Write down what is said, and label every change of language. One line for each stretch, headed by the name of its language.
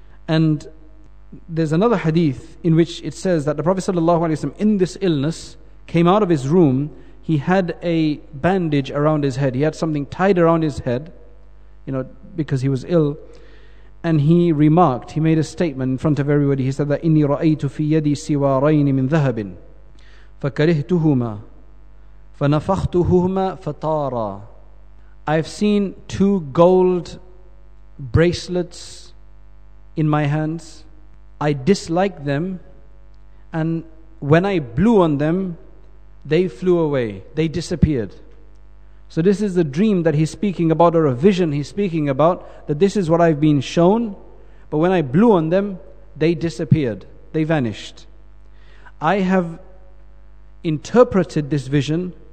English: And there's another hadith in which it says that the Prophet sallallahu alaihi wasallam, in this illness, came out of his room. He had a bandage around his head. He had something tied around his head, you know, because he was ill. And he remarked, he made a statement in front of everybody. He said that
Arabic: إِنِّي رَأَيْتُ فِي يَدِي سِوَارَيْنِ مِنْ ذَهَبٍ فَكَرِهْتُهُمَا فَنَفَخْتُهُمَا فَطَارَا.
English: I've seen two gold bracelets in my hands. I dislike them, and when I blew on them, they flew away, they disappeared. So this is the dream that he's speaking about, or a vision he's speaking about, that this is what I've been shown, but when I blew on them, they disappeared, they vanished. I have interpreted this vision